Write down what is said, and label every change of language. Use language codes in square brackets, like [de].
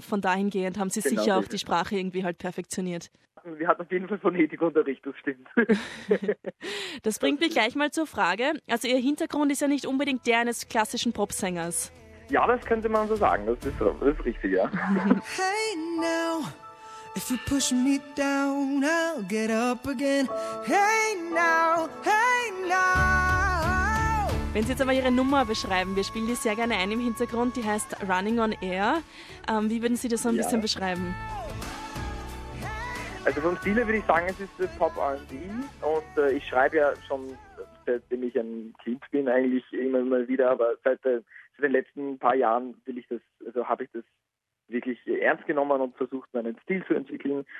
[de] Von dahingehend haben Sie genau, sicher auch die Sprache irgendwie halt perfektioniert. Wir hatten auf jeden Fall Phonetikunterricht, das stimmt. Das bringt mich gleich mal zur Frage. Also Ihr Hintergrund ist ja nicht unbedingt der eines klassischen Popsängers. Ja, das könnte man so sagen. Das ist richtig, ja. [en] Hey now. If you push me down, I'll get up again. Hey now, hey now. [de] Wenn Sie jetzt aber Ihre Nummer beschreiben, wir spielen die sehr gerne ein im Hintergrund, die heißt Running on Air. Wie würden Sie das so ein bisschen beschreiben? Also vom Stil würde ich sagen, es ist Pop R&B und ich schreibe ja schon, seitdem ich ein Kind bin eigentlich immer wieder, aber seit den letzten paar Jahren habe ich das wirklich ernst genommen und versucht, meinen Stil zu entwickeln.